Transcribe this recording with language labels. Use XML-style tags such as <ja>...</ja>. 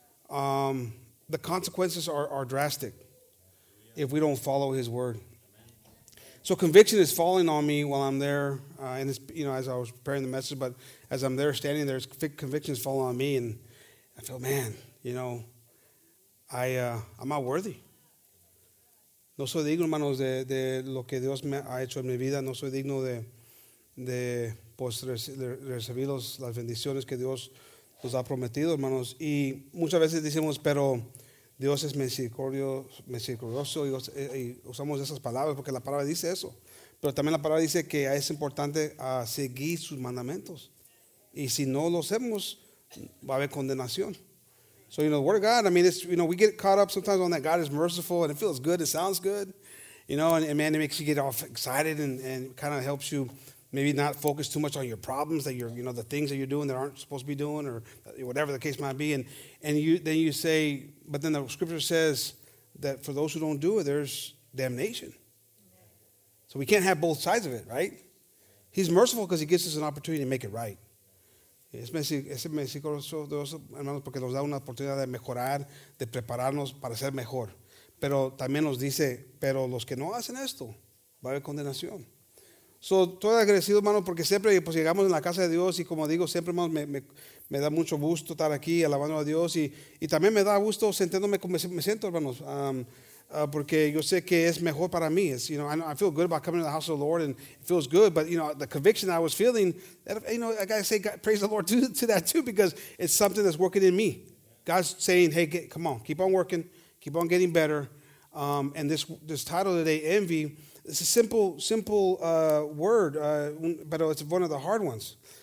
<en>The consequences are drastic if we don't follow his word. So conviction is falling on me while I'm there, and it's, you know, as I was preparing the message, but as I'm there standing there, conviction is falling on me, and I feel, man, you know, I'm not worthy.</en> <es>No soy digno, hermanos, de lo que Dios me ha hecho en mi vida. No soy digno de recibir las bendiciones que Dios nos ha prometido, hermanos. Y muchas veces decimos, pero Dios es misericordioso, y usamos esas palabras porque la palabra dice eso. Pero también la palabra dice que es importante seguir sus mandamientos. Y si no lo hacemos, va a haber condenación.</es> <en>So, you know, the word of God, I mean, it's, you know, we get caught up sometimes on that God is merciful and it feels good, it sounds good. You know, and man, it makes you get all excited and kind of helps you maybe not focus too much on your problems that you're, you know, the things that you're doing that aren't supposed to be doing or whatever the case might be. And you then you say, but then the scripture says that for those who don't do it, there's damnation. So we can't have both sides of it, right? He's merciful because he gives us an opportunity to make it right.</en> <es>Es misericordioso Dios, hermanos, porque nos da una oportunidad de mejorar, de prepararnos para ser mejor. Pero también nos dice, pero los que no hacen esto, va a haber condenación. So, estoy agradecido, hermano, porque siempre pues, llegamos en la casa de Dios y como digo, siempre, hermano, me da mucho gusto estar aquí alabando a Dios y también me da gusto sentándome como me siento, hermanos, porque yo sé que es mejor para mí.</es> <en>It's, you know, I feel good about coming to the house of the Lord and it feels good, but, you know, the conviction I was feeling, you know, I got to say God, praise the Lord to that too because it's something that's working in me. God's saying, hey, come on, keep on working, keep on getting better. And this title today, Envy, it's a simple word, but it's one of the hard ones.</en>